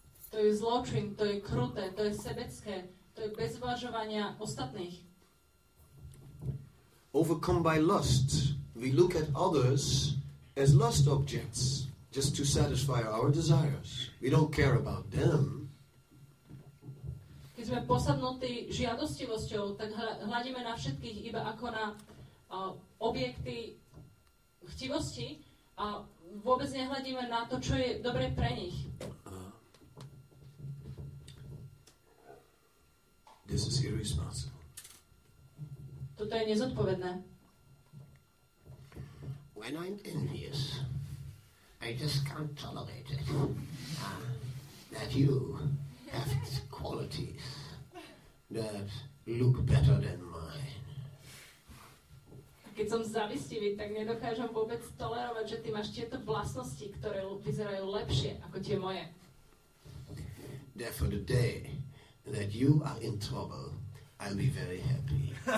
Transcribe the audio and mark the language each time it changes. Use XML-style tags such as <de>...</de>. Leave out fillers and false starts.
<sk>To je zločin, to je kruté, to je sebecké, to je bez uvažovania ostatných.</sk> <en>Overcome by lust, we look at others as lust objects, just to satisfy our desires. We don't care about them.</en> <sk>Keď sme posadnutí žiadostivosťou, tak hľadíme na všetkých iba ako na objekty chtivosti a vôbec nehľadíme na to, čo je dobre pre nich.</sk> <en>This is irresponsible.</en> <sk>Toto je nezodpovedné.</sk> <en>When I'm envious, I just can't tolerate it. That you have qualities that look better than mine.</en> <sk>Keď som závistivý, tak nedokážem vôbec tolerovať, že ty máš tieto vlastnosti, ktoré vyzerajú lepšie ako tie moje.</sk> <en>Therefore the day that you are in trouble, I'll be very happy.</en>